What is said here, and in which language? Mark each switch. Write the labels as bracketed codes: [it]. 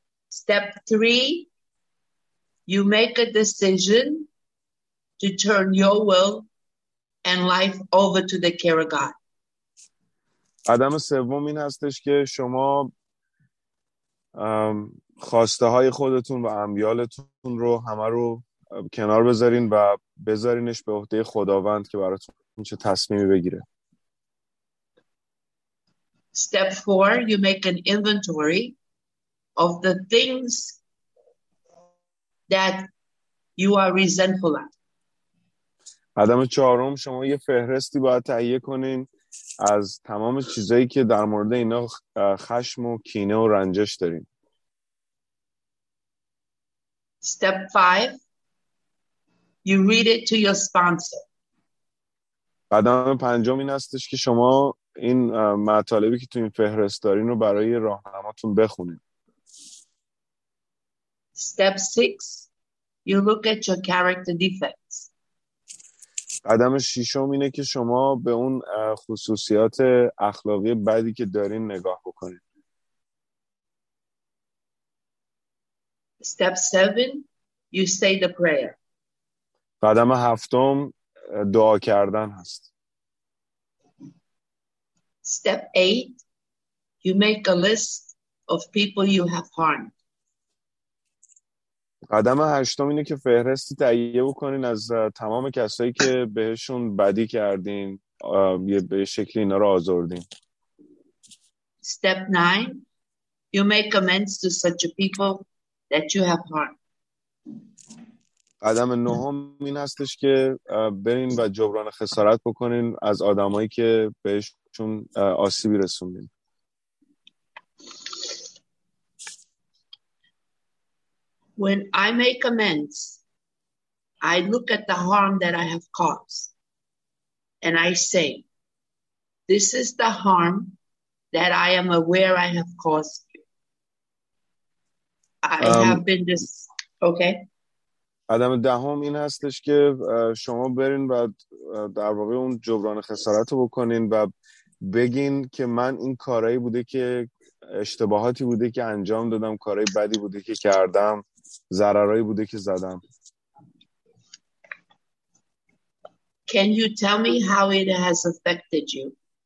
[en] Step 3, you make a decision to turn your will and life over to the care of God. [fa] قدم سوم این هستش که شما خواسته های خودتون و امیالتون رو همه رو کنار بذارین و بذارینش به عهده خداوند که براتون چه تصمیمی بگیره. [en] Step 4, you make an inventory of the things that you are resentful at. [fa] قدم چهارم، شما یه فهرستی باید تهیه کنین از تمام چیزایی که در مورد اینا خشم و کینه و رنجش داریم. [en] Step 5, you read it to your sponsor. [fa] قدم پنجم این هستش که شما این مطالبی که تو این فهرست دارین رو برای راهنماتون بخونید. [en] Step 6, you look at your character defects. [fa] قدم ششم اینه که شما به اون خصوصیات اخلاقی بدی که دارین نگاه بکنید. [en] Step 7, you say the prayer. [fa] قدم هفتم دعا کردن هست. [en] Step 8, you make a list of people you have harmed. [fa] قدم هشتم اینه که فهرستی تهیه بکنین از تمام کسایی که بهشون بدی کردین، یه به شکلی اینا رو آزردین. [en] Step 9, you make amends to such people that you have harmed. [fa] قدم نهم این هستش که برین و جبران خسارت بکنین از آدمایی که بهشون آسیبی رسوندین. [en] When I make amends, I look at the harm that I have caused and I say, this is the harm that I am aware I have caused. I have been this, okay? [fa] آدم دهم این هستش که شما برین و در واقع اون جبران خسارت رو بکنین و بگین که من این کارایی بوده که اشتباهاتی بوده که انجام دادم، کارای بدی بوده که کردم، ضررایی بوده که زدم. [en] Can you tell me how it has affected you?